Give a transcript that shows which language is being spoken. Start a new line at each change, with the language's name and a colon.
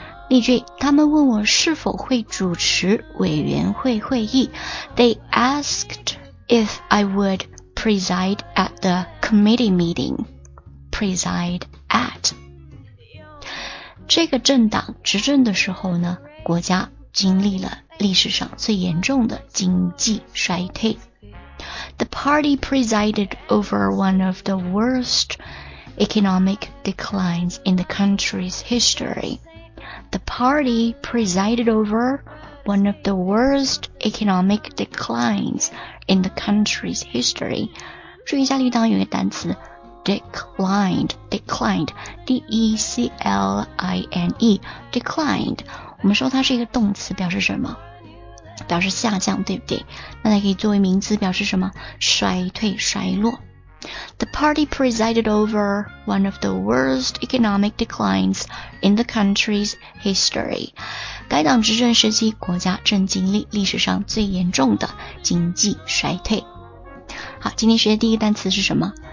Chinese: 例句，他们问我是否会主持委员会会议。
English: They asked if I would preside at the committee meeting. Preside at。
Chinese: 这个政党执政的时候呢，国家经历了历史上最严重的经济衰退。
English: The party presided over one of the worst economic declines in the country's history. The party presided over one of the worst economic declines in the country's history.
Chinese: 注意一下，例句当中有一个单词
English: declined, D-E-C-L-I-N-E, declined。
Chinese: 我们说它是一个动词，表示什么？表示下降，对不对？那它可以作为名词，表示什么？衰退、衰落。
English: The party presided over one of the worst economic declines in the country's history.
Chinese: 该党执政时期，国家正经历历史上最严重的经济衰退。好，今天学的第一个单词是什么？